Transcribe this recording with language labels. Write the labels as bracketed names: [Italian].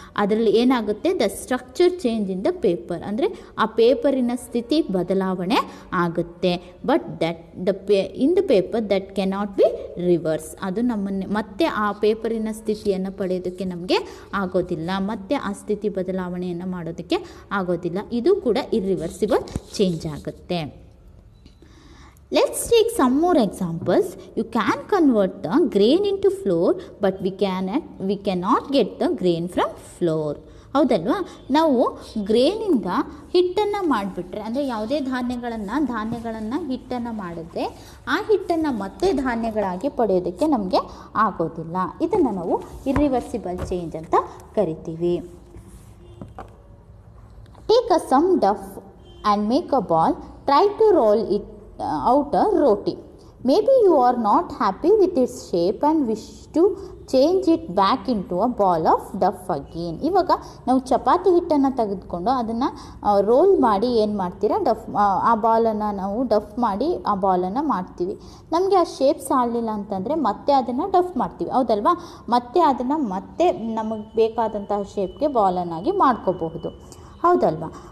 [Kannada] ಅದರಲ್ಲಿ ಏನಾಗುತ್ತೆ, [English] the structure change in the paper, [Kannada] ಅಂದರೆ ಆ ಪೇಪರಿನ ಸ್ಥಿತಿ ಬದಲಾವಣೆ ಆಗುತ್ತೆ. [English] But that the in the paper that cannot be reverse. [Kannada] ಅದು ನಮ್ಮನ್ನೇ ಮತ್ತೆ ಆ ಪೇಪರಿನ ಸ್ಥಿತಿಯನ್ನು ಪಡೆಯೋದಕ್ಕೆ ನಮಗೆ ಆಗೋದಿಲ್ಲ, ಮತ್ತೆ ಆ ಸ್ಥಿತಿ ಬದಲಾವಣೆಯನ್ನು ಮಾಡೋದಕ್ಕೆ ಆಗೋದಿಲ್ಲ. ಇದು ಕೂಡ ಇರಿವರ್ಸಿಬಲ್ ಚೇಂಜ್ ಆಗುತ್ತೆ. [English] Let's take some more examples. You can convert the grain into flour, but we cannot get the grain from flour. [Kannada] ಹೌದಲ್ವಾ? ನಾವು ಗ್ರೇನಿಂದ ಹಿಟ್ಟನ್ನು ಮಾಡಿಬಿಟ್ರೆ, ಅಂದರೆ ಯಾವುದೇ ಧಾನ್ಯಗಳನ್ನು ಹಿಟ್ಟನ್ನು ಮಾಡಿದ್ರೆ ಆ ಹಿಟ್ಟನ್ನು ಮತ್ತೆ ಧಾನ್ಯಗಳಾಗಿ ಪಡೆಯೋದಕ್ಕೆ ನಮಗೆ ಆಗೋದಿಲ್ಲ. ಇದನ್ನು ನಾವು ಇರಿವರ್ಸಿಬಲ್ ಚೇಂಜ್ ಅಂತ ಕರಿತೀವಿ. [English] Take a some dough and make a ball, try to roll it out a roti. Maybe you are not happy with its shape and wish to change it back into a ball of dough again. [Kannada] ಇವಾಗ ನಾವು ಚಪಾತಿ ಹಿಟ್ಟನ್ನು ತೆಗೆದುಕೊಂಡು ಅದನ್ನು roll ಮಾಡಿ ಏನು ಮಾಡ್ತೀರಾ, deaf ಆ ಬಾಲನ್ನು ನಾವು ಡಫ್ ಮಾಡಿ ಆ ಬಾಲನ್ನು ಮಾಡ್ತೀವಿ. ನಮಗೆ ಆ ಶೇಪ್ಸ್ ಆಗಲಿಲ್ಲ ಅಂತಂದರೆ ಮತ್ತೆ ಅದನ್ನು ಡಫ್ ಮಾಡ್ತೀವಿ, ಹೌದಲ್ವಾ? ಮತ್ತೆ ಅದನ್ನು ಮತ್ತೆ ನಮಗೆ ಬೇಕಾದಂತಹ ಶೇಪ್ಗೆ ಬಾಲನ್ನಾಗಿ ಮಾಡ್ಕೋಬಹುದು, ಹೌದಲ್ವಾ?